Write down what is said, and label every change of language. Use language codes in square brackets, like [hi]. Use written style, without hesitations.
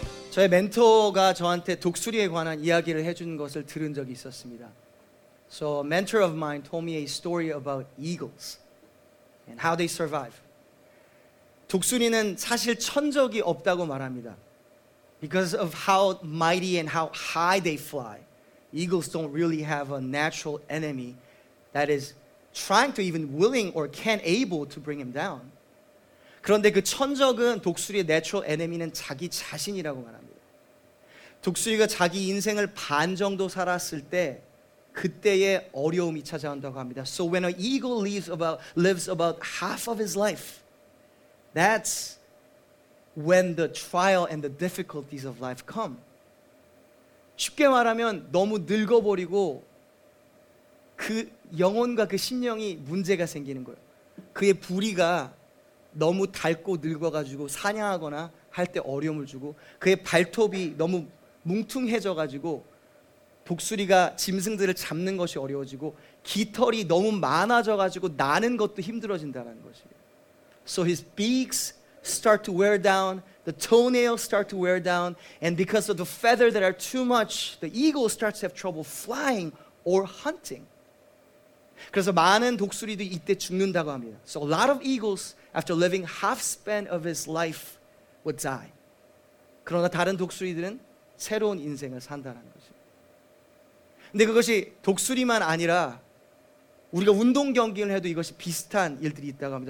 [ko] 저의 멘토가 저한테 독수리에 관한 이야기를 해준 것을 들은 적이 있었습니다. [en] So a mentor of mine told me a story about eagles and how they survive. [ko] 독수리는 사실 천적이 없다고 말합니다. [en] Because of how mighty and how high they fly, eagles don't really have a natural enemy that is trying to even willing or can able to bring him down. [ko] 그런데 그 천적은 독수리의 natural enemy는 자기 자신이라고 말합니다. 독수리가 자기 인생을 반 정도 살았을 때 그때의 어려움이 찾아온다고 합니다. [en] So when an eagle lives about half of his life, that's when the trial and the difficulties of life come. [ko] 쉽게 말하면 너무 늙어버리고 그 영혼과 그 심령이 문제가 생기는 거예요. 그의 부리가 너무 닳고 늙어가지고 사냥하거나 할 때 어려움을 주고 그의 발톱이 너무 뭉퉁해져가지고 독수리가 짐승들을 잡는 것이 어려워지고 깃털이 너무 많아져가지고 나는 것도 힘들어진다는 것이에요. [en] So his beaks start to wear down, the toenails start to wear down, and because of the feather that are too much, the eagle starts to have trouble flying or hunting. [ko] 그래서 많은 독수리도 이때 죽는다고 합니다. [en] So a lot of eagles, after living half span of his life, would die. [ko] 그러나 다른 독수리들은 새로운 인생을 산다는 것입니다. 근데 그것이 독수리만 아니라 우리가 운동 경기를 해도 이것이 비슷한 일들이 있다고 합니다.